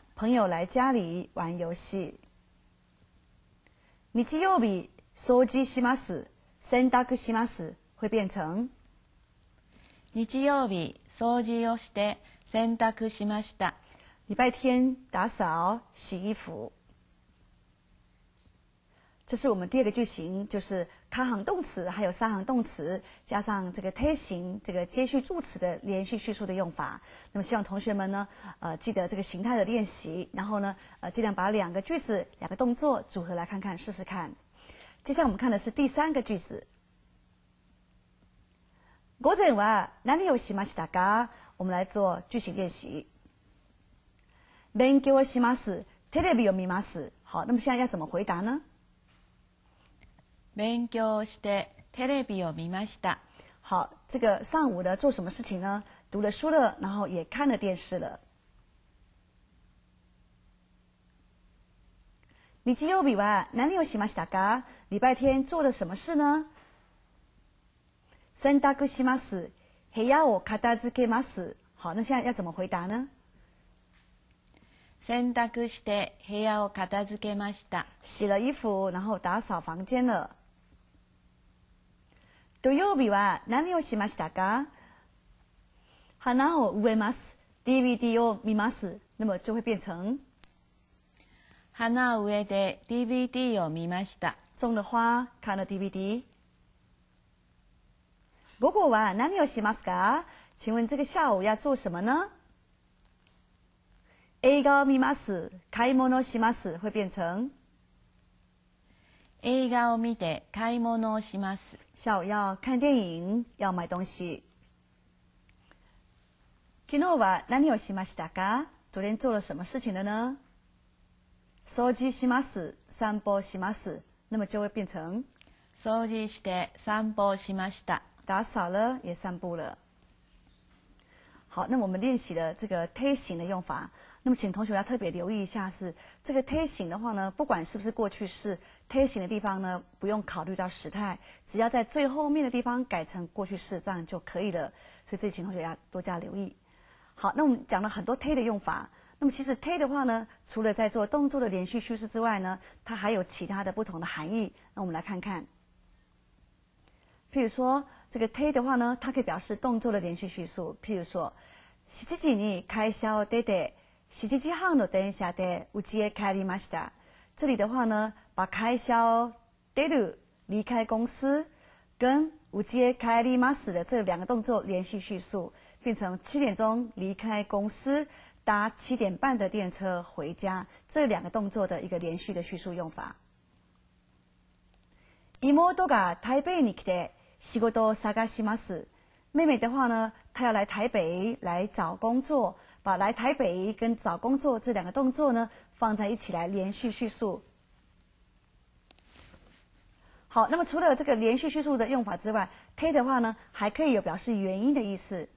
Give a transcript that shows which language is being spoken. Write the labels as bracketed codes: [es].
[zh] 朋友来家里玩游戏。 [ja] 日曜日掃除します。洗濯します。 [zh] 会变成 [ja] 日曜日掃除をして洗濯しました。 [zh] 礼拜天打扫洗衣服。这是我们第二个句型，就是卡行动词还有三行动词加上这个 te 形这个接续助词的连续叙述的用法。那么希望同学们呢记得这个形态的练习，然后呢尽量把两个句子两个动作组合来看看试试看。接下来我们看的是第三个句子。 [ja] 午前は何をしましたか？ [zh] 我们来做句型练习。 [ja] 勉強をします。テレビを見ます。 [zh] 好，那么现在要怎么回答呢？ [ja] 勉強してテレビを見ました。 [zh] 好，这个上午的做什么事情呢？读了书了，然后也看了电视了。 [ja] 日曜日は何をしましたか？ [zh] 礼拜天做了什么事呢？ [ja] 洗濯します。部屋を片付けます。 [zh] 好，那现在要怎么回答呢？ [ja] 洗濯して部屋を片付けました。 [zh] 洗了衣服，然后打扫房间了。 [ja] 土曜日は何をしましたか？花を植えます。DVD を見ます。 [zh] 那么就会变成 [ja] 花を植えて DVD を見ました。種の花、 [zh] 看了 DVD。 [ja] 午後は何をしますか？ [zh] 请问这个下午要做什么呢？ [ja] 映画を見ます。買い物します。 [zh] 会变成 [ja] 映画を見て買い物をします。 [zh] 下午要看电影，要买东西。 [ja] 昨日は何をしましたか？ [zh] 昨天做了什么事情的呢？ [ja] 掃除します。散歩します。 [zh] 那么就会变成 [ja] 掃除して散歩しました。 [zh] 打扫了，也散步了。好，那我们练习了这个て型的用法。那么请同学要特别留意一下，是这个て型的话呢，不管是不是过去式，て型的地方呢不用考虑到时态，只要在最后面的地方改成过去式，这样就可以了。所以这里请同学要多加留意。好，那我们讲了很多て的用法。那么其实て的话呢，除了在做动作的连续叙事之外呢，它还有其他的不同的含义。那我们来看看，譬如说这个て的话呢，它可以表示动作的连续叙述。譬如说 [ja] 7時に会社を出て7時半の電車で家へ帰りました。 [zh] 这里的话呢，把开销出る离开公司跟 [ja] 家へ帰ります [zh] 的这两个动作连续叙述，变成七点钟离开公司搭七点半的电车回家，这两个动作的一个连续的叙述用法。 [ja] 妹が台北に来て仕事を探します。 [zh] 妹妹的话呢，她要来台北来找工作，把来台北跟找工作这两个动作呢放在一起来连续叙述。好，那么除了这个连续叙述的用法之外，て的话呢还可以有表示原因的意思。